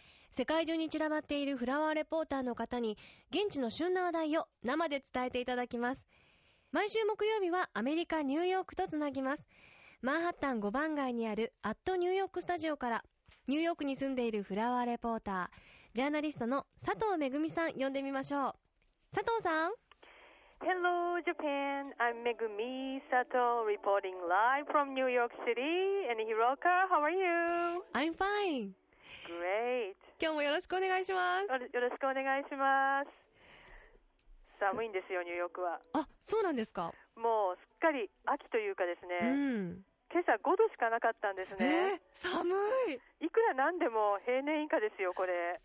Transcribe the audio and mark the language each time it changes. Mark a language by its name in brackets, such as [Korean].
[Japanese] 世界中に散らばっているフラワーレポーターの方に現地の旬な話題を生で伝えていただきます。毎週木曜日はアメリカニューヨークとつなぎます。マンハッタン5番街にあるアットニューヨークスタジオから、ニューヨークに住んでいるフラワーレポータージャーナリストの佐藤めぐみさん呼んでみましょう。佐藤さん。 [English] Hello Japan, I'm Megumi Sato reporting live from New York City and Hiroka, how are you? I'm fine. Great. [Japanese] 今日もよろしくお願いします。よろしくお願いします。寒いんですよニューヨークは。あ、そうなんですか。もうすっかり秋というかですね、うん、今朝5度しかなかったんですね。寒い。いくらなんでも平年以下ですよこれ。